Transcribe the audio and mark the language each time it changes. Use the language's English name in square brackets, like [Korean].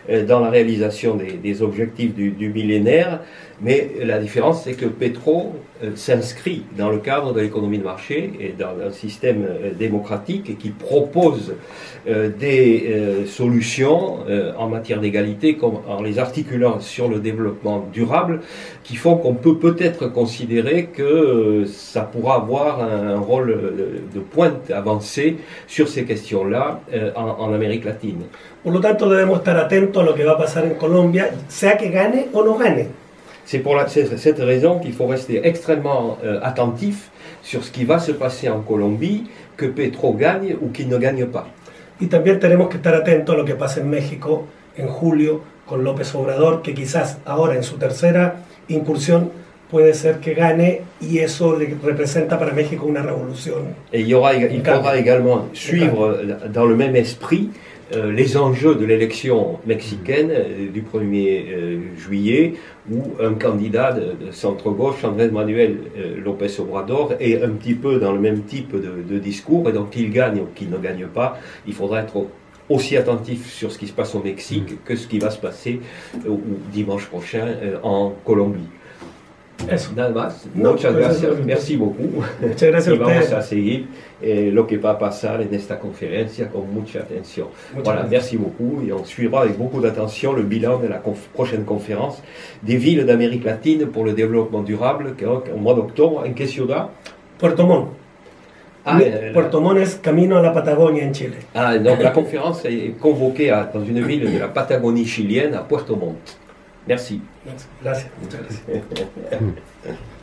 [French] dans la réalisation des objectifs du millénaire, mais la différence c'est que Petro s'inscrit dans le cadre de l'économie de marché et dans un système démocratique et qui propose des solutions en matière d'égalité en les articulant sur le développement durable, qui font qu'on peut peut-être considérer que ça pourra avoir un rôle de pointe avancée sur ces questions-là en Amérique latine. [Spanish] Por lo tanto, debemos estar atentos a lo que va a pasar en Colombia, sea que gane o no gane. [French] C'est pour cette raison qu'il faut rester extrêmement attentif sur ce qui va se passer en Colombie, que Petro gagne ou qu'il ne gagne pas. [Spanish] Y también tenemos que estar atentos a lo que pasa en México en julio con López Obrador, que quizás ahora en su tercera incursión puede ser que gane y eso representa para México una revolución. [French] Et il faudra également suivre dans le même esprit les enjeux de l'élection mexicaine du 1er juillet, où un candidat de centre-gauche, Andrés Manuel López Obrador, est un petit peu dans le même type de discours, et donc qu'il gagne ou qu'il ne gagne pas, il faudra être aussi attentif sur ce qui se passe au Mexique que ce qui va se passer dimanche prochain en Colombie. [Spanish] Eso. Nada más, no, muchas gracias, gracias, [French] merci beaucoup. [Spanish] Muchas gracias y vamos a seguir lo que va a pasar en esta conferencia con mucha atención. Muchas [French] voilà, [Spanish] gracias. [French] Merci beaucoup y on suivra avec beaucoup d'attention le bilan de la prochaine conférence des villes d'Amérique latine pour le développement durable que au mois d'octobre. [Spanish] ¿En qué ciudad? Puerto Montt. Puerto Montt es camino a la Patagonia en Chile. [French] Ah, donc la conférence est convoquée dans une ville de la Patagonie chilienne, à Puerto Montt. Merci. [Spanish] Gracias. Muchas gracias.